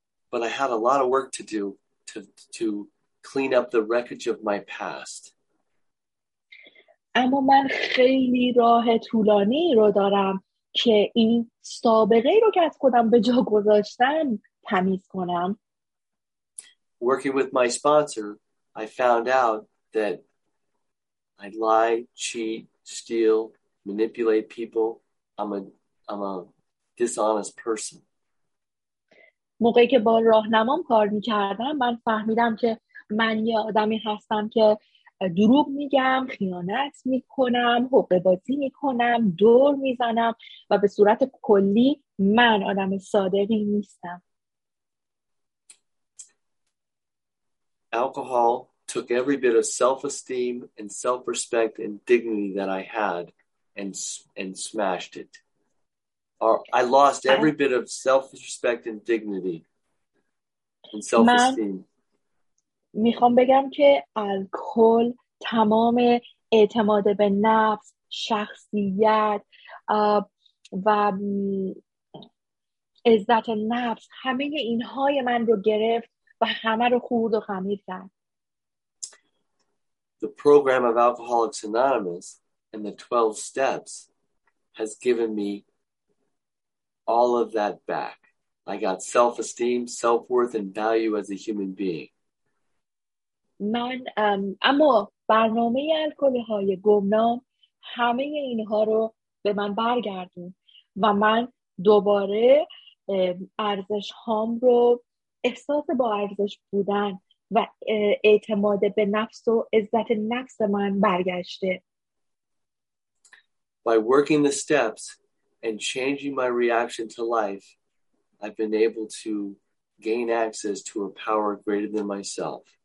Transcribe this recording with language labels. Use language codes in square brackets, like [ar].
[en] But I had a lot of work to do to clean up the wreckage of my past. [fa] اما من خیلی راه طولانی رو دارم که این سابقه رو که از خودم به جا گذاشتم تمیز کنم. [en] Working with my sponsor, I found out that I lie, cheat, steal, manipulate people. I'm a dishonest person. [fa] موقعی که با راهنمام کار میکردم من فهمیدم که من یه آدمی هستم که دروغ میگم، خیانت میکنم، حقه‌بازی میکنم، دور میزنم و به صورت کلی من آدم صادقی نیستم. [en] Alcohol took every bit of self-esteem and self-respect and dignity that I had and smashed it. I lost every bit of self-respect and dignity and self-esteem. [fa] میخوام بگم که الکل تمام اعتماد به نفس، شخصیت و عزت نفس همه اینهای من رو گرفت و همه رو خورد و خمیر کرد. [en] The program of Alcoholics Anonymous and the 12 steps has given me all of that back. I got self-esteem, self-worth, and value as a human being. [fa] من اما برنامه الکل‌های گمنام همه اینها رو به من برگردوند و من دوباره ارزش‌هام رو احساس با ارزش بودن و اعتماد به نفس و عزت نفس من برگشته. [en] By working the steps and changing my reaction to life, I've been able to gain access to a power greater than myself.